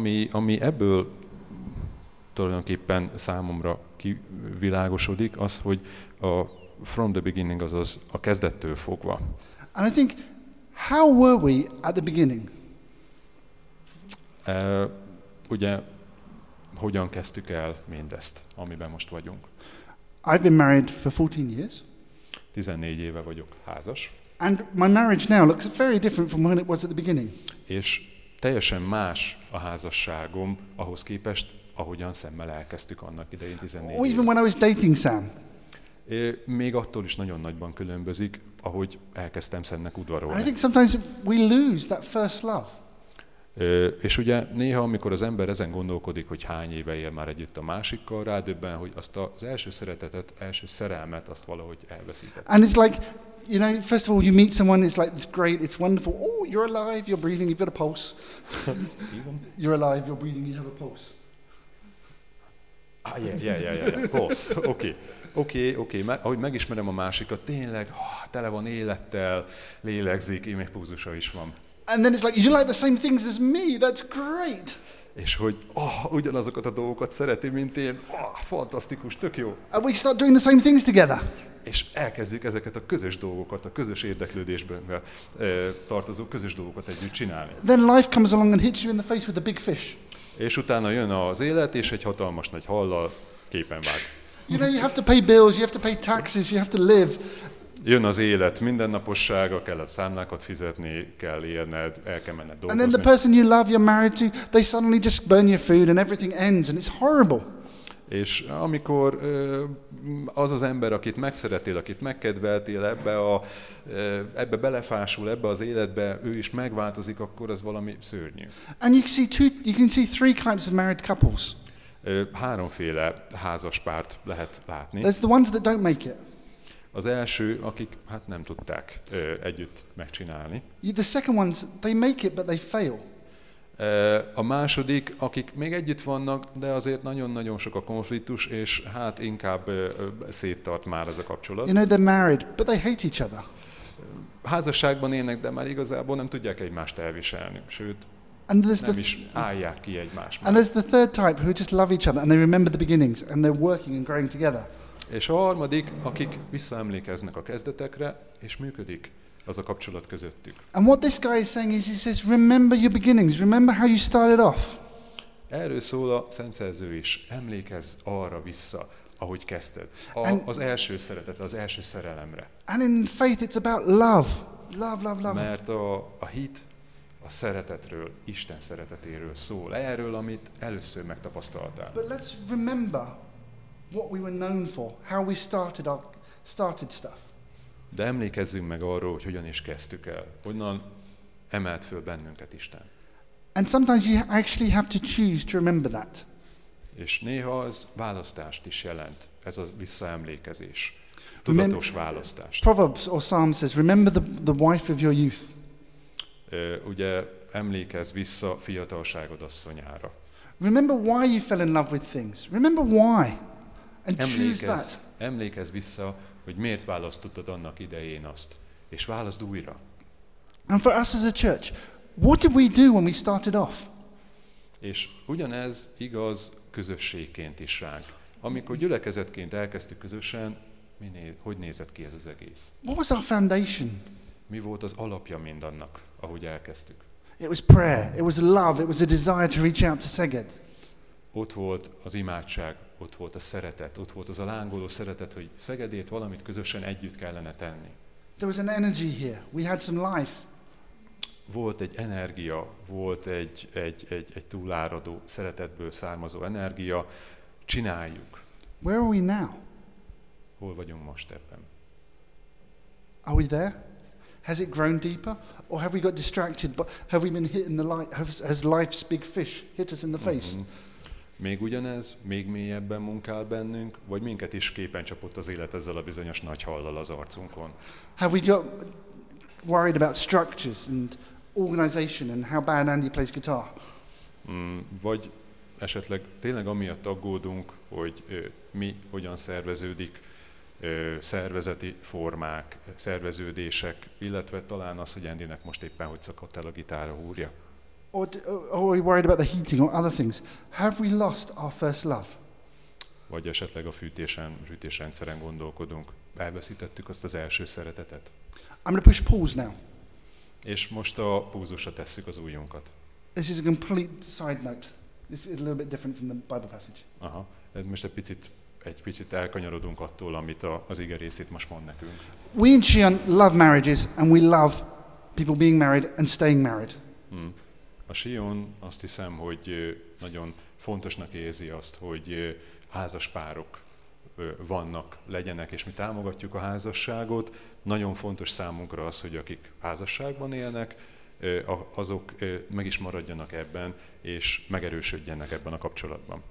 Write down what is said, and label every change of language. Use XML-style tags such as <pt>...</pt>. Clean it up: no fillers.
<hu>Ami ebből tulajdonképpen számomra kivilágosodik, az, hogy a</hu> <en>from the beginning,</en> <hu>azaz a kezdettől fogva.</hu> <en>And I think, how were we at the beginning?</en> <hu>Ugye, hogyan kezdtük el mindezt, amiben most vagyunk?</hu> <en>I've been married for 14 years.</en> <hu>14 éve vagyok házas.</hu> <en>And my marriage now looks very different from when it was at the beginning.</en> <hu>És teljesen más a házasságom ahhoz képest, ahogyan szemmel elkezdtük annak idején 14 éve.</hu> <en>Even when I was dating Sam.</en> <hu>Még attól is nagyon nagyban különbözik, ahogy elkezdtem Samnek udvarolni.</hu> <en>I think sometimes we lose that first love.</en> <hu>És ugye néha, amikor az ember ezen gondolkodik, hogy hány éve él már együtt a másikkal, rádöbben, hogy azt az első szeretetet, első szerelmet azt valahogy elveszített.</hu> <en>And it's like, you know, first of all, you meet someone, it's like, it's great, it's wonderful. Oh, you're alive, you're breathing, you've got a pulse. You're alive, you're breathing, you have a pulse. Ah, yeah. Pulse. Okay.</en> <hu>Ahogy megismerem a másikat, tényleg, tele van élettel, lélegzik, émekpúzusa is van.</hu> <en>And then it's like, you like the same things as me, that's great.</en> <hu>És hogy ugyanazokat a dolgokat szereti, mint én. Fantasztikus, tök jó.</hu> <en>And we start doing the same things together.</en> <hu>És elkezdjük ezeket a közös dolgokat, a közös érdeklődésben tartozó közös dolgokat együtt csinálni.</hu> <en>Then life comes along and hits you in the face with a big fish.</en> <hu>És utána jön az élet, és egy hatalmas nagy hallal képen vág.</hu> <en>You know, you have to pay bills, you have to pay taxes, you have to live.</en> <hu>Jön az élet mindennapossága, kell a számlákat fizetni, kell élned, el kell menned dolgozni.</hu> <en>And then the person you love, you're married to, they suddenly just burn your food and everything ends and it's horrible.</en> <hu>És amikor az az ember, akit megszeretél, akit megkedveltél, ebbe belefásul, ebbe az életbe, ő is megváltozik, akkor ez valami szörnyű.</hu> <en>And you can see three kinds of married couples.</en> <hu>Háromféle házaspárt lehet látni.</hu> <en>There's the ones that don't make it.</en> <hu>Az első, akik hát nem tudták együtt megcsinálni.</hu> <en>The second ones, they make it, but they fail.</en> <hu>A második, akik még együtt vannak, de azért nagyon-nagyon sok a konfliktus, és hát inkább széttart már ez a kapcsolat.</hu> <en>You know, they're married, but they hate each other.</en> <hu>Házasságban élnek, de már igazából nem tudják egymást elviselni, sőt, nem is állják ki egymást.</hu> <en>And there's the third type, who just love each other, and they remember the beginnings, and they're working and growing together.</en> <hu>És a harmadik, akik visszaemlékeznek a kezdetekre, és működik az a kapcsolat közöttük.</hu> <en>And what this guy is saying is, he says, remember your beginnings, remember how you started off.</en> <hu>Erről szól a Szent Szerző is, emlékezz arra vissza, ahogy kezdted, az első szeretetre, az első szerelemre.</hu> <en>And in faith it's about love, love, love, love.</en> <hu>Mert a hit a szeretetről, Isten szeretetéről szól, erről, amit először megtapasztaltál.</hu> <en>But let's remember what we were known for, how we started stuff.</en> <hu>De emlékezzünk meg arról, hogy hogyan is kezdtük el, honnan emelt föl bennünket Isten.</hu> <en>And sometimes you actually have to choose to remember that.</en> <hu>És néha az választást is jelent, ez a visszaemlékezés, tudatos választás.</hu> <en>Proverbs or Psalms says, remember the wife of your youth.</en> <hu>Ugye emlékezz vissza fiatalságod asszonyára.</hu> <en>Remember why you fell in love with things. Remember why. And choose that.</en> <hu>Emlékezz vissza, hogy miért választottad annak idején azt, és válaszd újra.</hu> <en>And for us as a church, what did we do when we started off?</en> <hu>És ugyanez igaz közösségként is ránk. Amikor gyülekezetként elkezdtük közösen, hogy nézett ki ez az egész?</hu> <en>What was our foundation?</en> <hu>Mi volt az alapja mindannak, ahogy elkezdtük?</hu> <en>It was prayer, it was love, it was a desire to reach out to Szeged.</en> <hu>Ott volt az imádság, ott volt a szeretet, ott volt az a lángoló szeretet, hogy Szegedért valamit közösen együtt kellene tenni.</hu> <en>There was an energy here. We had some life.</en> <hu>Volt egy energia, volt egy túláradó, szeretetből származó energia. Csináljuk.</hu> <en>Where are we now?</en> <hu>Hol vagyunk most ebben?</hu> <en>Are we there? Has it grown deeper? Or have we got distracted? But have we been hit in the light? Has life's big fish hit us in the face?</en> <hu>Még ugyanez, még mélyebben munkál bennünk, vagy minket is képen csapott az élet ezzel a bizonyos nagy hallal az arcunkon?</hu> <en>Have we got worried about structures and organization and how bad Andy plays guitar?</en> <hu>Vagy esetleg tényleg amiatt aggódunk, hogy mi hogyan szerveződik, szervezeti formák, szerveződések, illetve talán az, hogy Andynek most éppen hogy szakadt el a gitára húrja.</hu> <en>Or are we worried about the heating or other things? Have we lost our first love?</en> <hu>Vagy esetleg a fűtésrendszeren gondolkodunk. Elveszítettük azt az első szeretetet?</hu> <en>I'm going to push pause now.</en> <hu>És most a púzusra tesszük az ujjunkat.</hu> <en>This is a complete side note. This is a little bit different from the Bible passage. Aha.</en> <hu>Most egy picit elkanyarodunk attól, amit az ige részét most mond nekünk.</hu> <en>We in Xi'an love marriages and we love people being married and staying married.</en> <hu>A Sion azt hiszem, hogy nagyon fontosnak érzi azt, hogy házaspárok vannak, legyenek, és mi támogatjuk a házasságot. Nagyon fontos számunkra az, hogy akik házasságban élnek, azok meg is maradjanak ebben, és megerősödjenek ebben a kapcsolatban.</hu>